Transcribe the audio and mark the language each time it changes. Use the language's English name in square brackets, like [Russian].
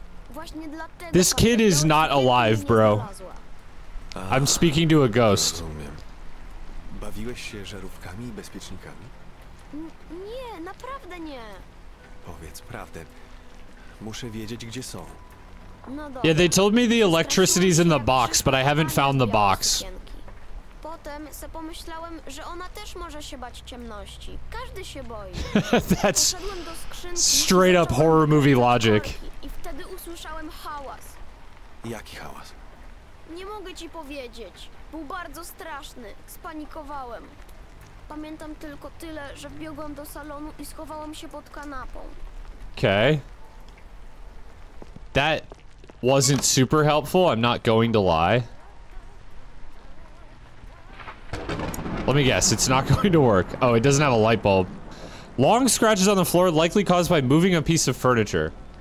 [Polish] Właśnie dlatego. [English] This kid is not alive, bro. I'm speaking to a ghost. [Polish] Bawiłeś się żarówkami i bezpiecznikami? Nie, naprawdę nie. Powiedz prawdę. Muszę wiedzieć, gdzie są. [English] Yeah, they told me the electricity's in the box, but I haven't found the box. [Polish] Po potem se pomyślałem, że ona też może się bać ciemności. Każdy się boi. [English] That's straight up horror movie logic. [Polish] I wtedy usłyszałem hałas. Jaki hałas? Nie mogę ci powiedzieć. Był bardzo straszny. Spanikowałem. Pamiętam tylko tyle, że wbiegłam do salonu i schowałam się pod kanapą. [English] Okay. That wasn't super helpful, I'm not going to lie. Let me guess, it's not going to work. Oh, it doesn't have a light bulb. Long scratches on the floor, likely caused by moving a piece of furniture.